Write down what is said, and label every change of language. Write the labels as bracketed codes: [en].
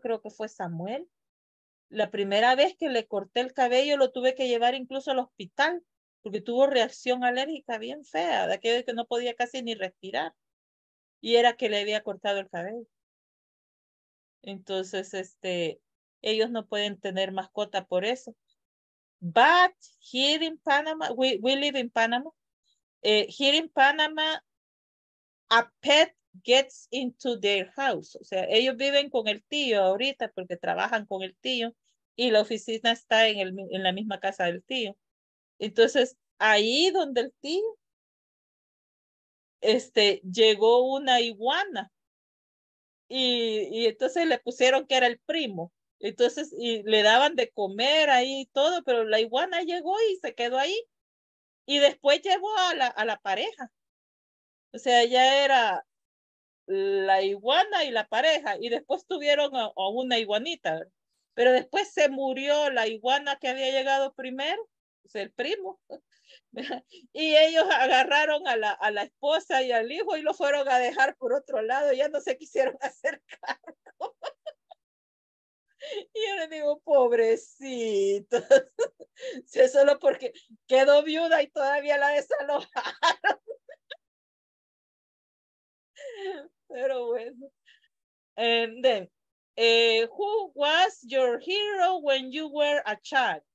[es] Creo que fue Samuel. La primera vez que le corté el cabello lo tuve que llevar incluso al hospital porque tuvo reacción alérgica bien fea, de aquello que no podía casi ni respirar. Y era que le había cortado el cabello. Entonces, ellos no pueden tener mascota por eso. [en] But here in Panama, we live in Panama. Here in Panama, a pet gets into their house. [es] O sea, ellos viven con el tío ahorita porque trabajan con el tío y la oficina está en la misma casa del tío. Entonces, ahí donde el tío, llegó una iguana y entonces le pusieron que era el primo. Entonces, y le daban de comer ahí y todo, pero la iguana llegó y se quedó ahí. Y después llegó a la pareja. O sea, ya era la iguana y la pareja. Y después tuvieron a una iguanita. Pero después se murió la iguana que había llegado primero, o sea, el primo. Y ellos agarraron a la esposa y al hijo y lo fueron a dejar por otro lado. Ya no se quisieron hacer cargo. Y yo le digo, pobrecito, si es solo porque quedó viuda y todavía la desalojaron. Pero bueno. [en] And then, who was your hero when you were a child?